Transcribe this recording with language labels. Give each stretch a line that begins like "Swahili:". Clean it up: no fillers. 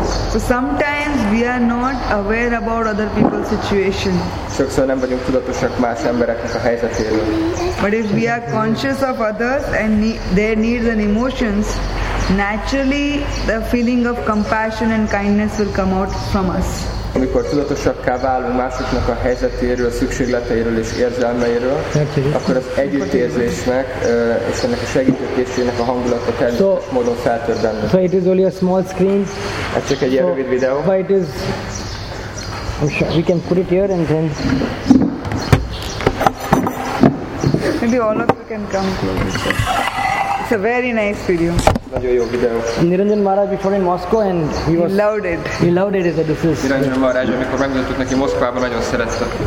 English: So sometimes we are not aware about other people's situation.
Hungarian: Sokszor nem vagyunk tudatosak más embereknek a helyzetéről.
English: But if we are conscious of others and their needs and emotions, naturally the feeling of compassion and kindness will come out from us.
Hungarian: Amikor tudatosakká válunk másoknak a helyzetéről, szükségleteiről és érzelmeiről, akkor az együttérzésnek és ennek a segítőkészségnek a hangulata természetes módon feltör bennünk.
English: So it is only a small screen.
Hungarian: Ez csak egy rövid videó.
English: But it is, I'm sure we can put it here and then maybe all of you can come close. It's a very nice video. Niranjan Maharaj before in Moscow and he was loved it. He loved it as a disease.
Hungarian: Niranjan Maharaj, amikor megmutattuk neki Moszkvában, nagyon szerette.